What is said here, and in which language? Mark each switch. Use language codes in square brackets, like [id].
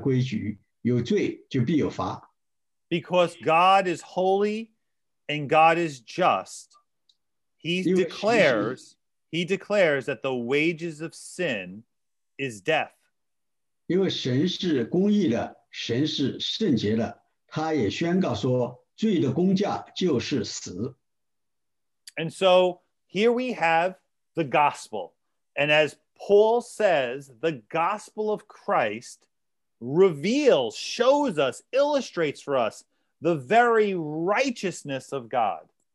[zh] 所以神在任何情况中，因为罪的缘故，他一定要有一个相应的一个对待出来。神就是这样给定下的规矩，有罪就必有罚。 [en] Because God is holy and God is just, he declares that the wages of sin is death. [zh] 因为神是公义的，神是圣洁的, 他也宣告说罪的工价就是死。 [en] And so here we have the gospel. And as Paul says, the gospel of Christ reveals, shows us, illustrates for us the very righteousness of God.